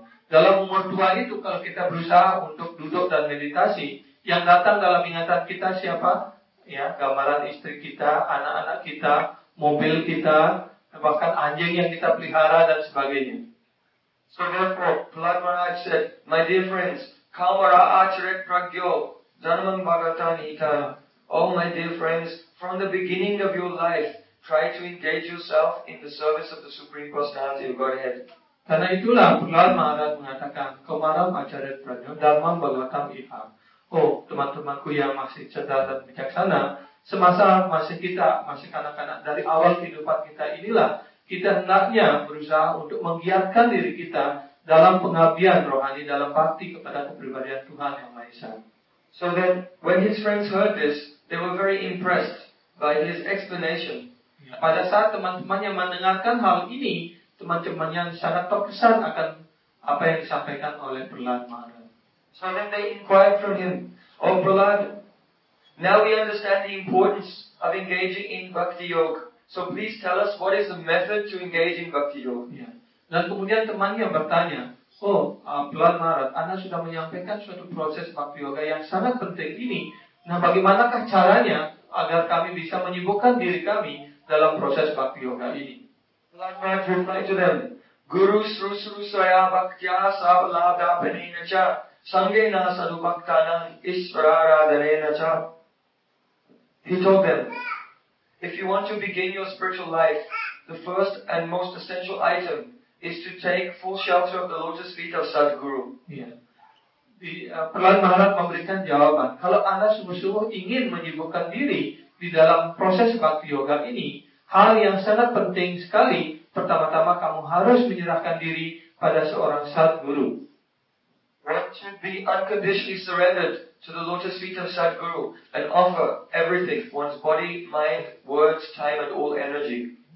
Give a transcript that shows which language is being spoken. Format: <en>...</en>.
<id>Dalam umur tua itu, kalau kita berusaha untuk duduk dan meditasi, yang datang dalam ingatan kita siapa? Gambaran istri kita, anak-anak kita, mobil kita, bahkan anjing yang kita pelihara dan sebagainya.</id> <en>So therefore, Pallad Maharaj said, "My dear friends,</en> <sa>Kamara Acharya Pragyo, Janaman Bhagatani Ita.</sa> <en>Oh, my dear friends, from the beginning of your life, try to engage yourself in the service of the Supreme Personality of Godhead."</en> <id>Karena itulah Pallad Maharaj mengatakan,</id> <sa>"Kamara Acharya Pragyo, Janaman Bhagatani Ita."</sa> <id>Oh, teman-temanku yang masih cerdas dan bijaksana, semasa masih kita, masih kanak-kanak, dari awal kehidupan kita inilah, kita hendaknya berusaha untuk menggiatkan diri kita dalam pengabdian rohani, dalam bakti kepada kepribadian Tuhan Yang Maha Esa.</id> <en>So then, when his friends heard this, they were very impressed by his explanation.</en> <id>Pada saat teman-temannya mendengarkan hal ini, teman-temannya sangat terkesan akan apa yang disampaikan oleh Prahlad Maharaj.</id> <en>So then they inquired from him, "Oh Prahlad, now we understand the importance of engaging in bhakti yoga. So please tell us what is the method to engage in bhakti yoga." Yeah.</en> <id>Dan kemudian temannya bertanya, Prahlad Maharaj, Anda sudah menyampaikan suatu proses bhakti yoga yang sangat penting ini. Nah, bagaimanakah caranya agar kami bisa menyibukkan diri kami dalam proses bhakti yoga ini?</id> <en>Prahlad Maharaj replied to them,</en> <sa>"Guru Sru Sru Saya Bhaktya Savlada Penina Cha Sangena Sadu Bhaktana Isvara Radhanena Cha."</sa> <en>He told them, "If you want to begin your spiritual life, the first and most essential item is to take full shelter of the lotus feet of Sadhguru." Yeah.</en> <id>Prahlad Maharaj memberikan jawaban, kalau Anda sungguh-sungguh ingin menyibukkan diri di dalam proses bhakti yoga ini, hal yang sangat penting sekali, pertama-tama kamu harus menyerahkan diri pada seorang Sadhguru.</id> <en>"One should be unconditionally surrendered to the lotus feet of Sadhguru and offer everything, one's body, mind, words, time and all energy."</en>